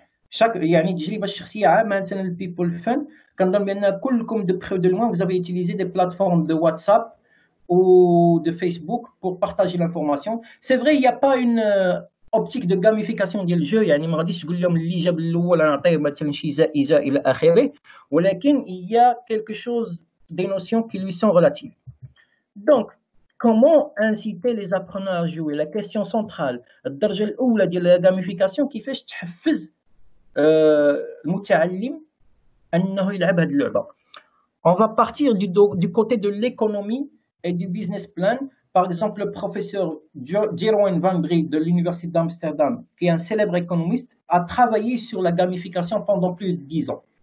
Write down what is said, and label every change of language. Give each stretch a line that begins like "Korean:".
French: Chaque, il y a un livre sur CIA, maintenant le People Fun, quand on vient à Koulkoum de près ou de loin, vous avez utilisé des plateformes de WhatsApp ou de Facebook pour partager l'information. C'est vrai, il n'y a pas une optique de gamification
Arabic: ديال الجو، يعني ما غاديش تقول لهم اللي جاب الاول نعطيه مثلا شي جائزة الى اخره، ولكن
French: il y a quelque chose des notions qui lui sont relatives. Donc comment inciter les apprenants à jouer, la question centrale.
Arabic: الدرجة الاولى ديال la gamification كيفاش تحفز المتعلم انه يلعب هذه اللعبة.
French: On va partir du côté de l'économie et du business plan. Par exemple, le professeur Jeroen van Brie de l'Université d'Amsterdam, qui est un célèbre économiste, a travaillé sur la gamification pendant plus de 10 ans.